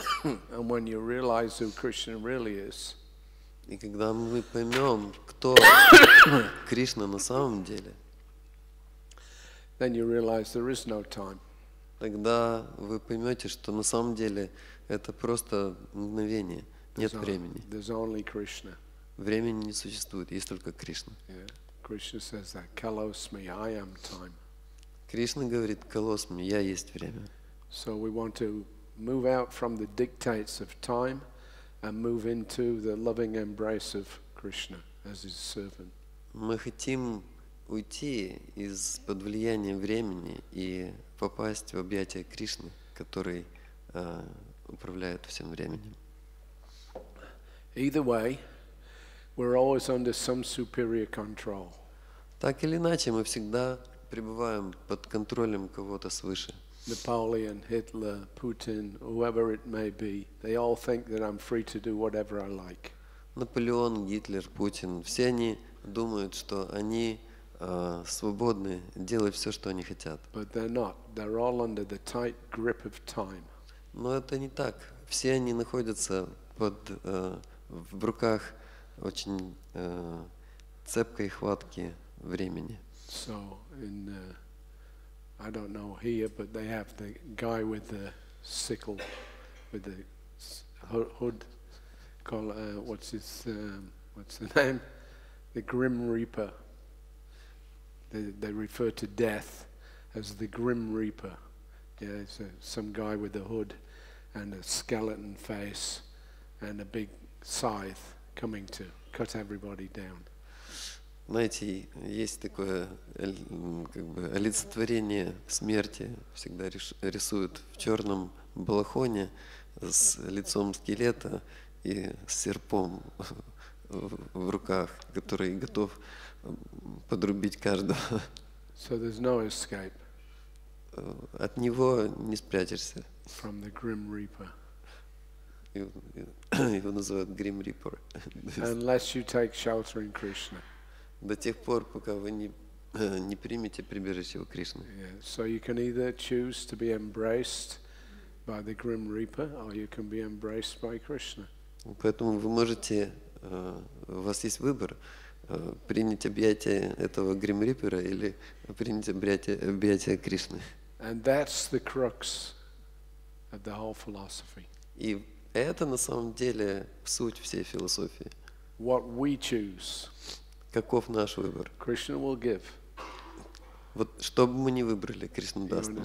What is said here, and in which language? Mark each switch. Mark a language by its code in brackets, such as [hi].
[en] And when you realize who Krishna really is, [ru] и когда мы поймем, кто Кришна на самом деле, [en] then you realize there is no time. [ru] Тогда вы поймете, что на самом деле это просто мгновение, нет времени. [en] There's only Krishna. [ru] Времени не существует, есть только Кришна. [en] Yeah. Krishna says that, Kalosmi, I am time. [ru] Кришна говорит, Kalosmi, я есть время. [en] So we want to move out from the dictates of time and move into the loving embrace of Krishna as his servant. [ru] Мы хотим уйти из под влияния времени и попасть в объятия Кришны, который управляет всем временем. [en] Either way, we're always under some superior control. [ru] Так или иначе, мы всегда пребываем под контролем кого-то свыше. [en] Napoleon, Hitler, Putin, whoever it may be, they all think that I'm free to do whatever I like. [ru] Наполеон, Гитлер, Путин, все они думают, что они свободны делать все, что они хотят. [en] But they're not. They're all under the tight grip of time. [ru] Но это не так. Все они находятся под в руках очень цепкой хватки времени. [en] So in I don't know here, but they have the guy with the sickle, with the hood, called what's the name? The Grim Reaper. They refer to death as the Grim Reaper. Yeah, it's some guy with a hood and a skeleton face and a big scythe coming to cut everybody down. [ru] Знаете, есть такое как бы олицетворение смерти, всегда рисуют в черном балахоне с лицом скелета и с серпом в руках, который готов подрубить каждого. [en] So there's no escape. [ru] От него не спрячешься. [en] From the Grim Reaper. [ru] Его называют Grim Reaper. [en] Unless you take shelter in Krishna. [ru] До тех пор, пока вы не примете прибежище у Кришны. [en] Yeah. So you can either choose to be embraced by the Grim Reaper, or you can be embraced by Krishna. [ru] Поэтому вы можете, у вас есть выбор, принять объятия этого Grim Reaper или принять объятия Кришны. [en] And that's the crux of the whole philosophy. [ru] И это на самом деле суть всей философии. [en] What we choose. [ru] Каков наш выбор? [en] Krishna will give. [ru] Вот что бы мы ни выбрали, Кришна даст нам.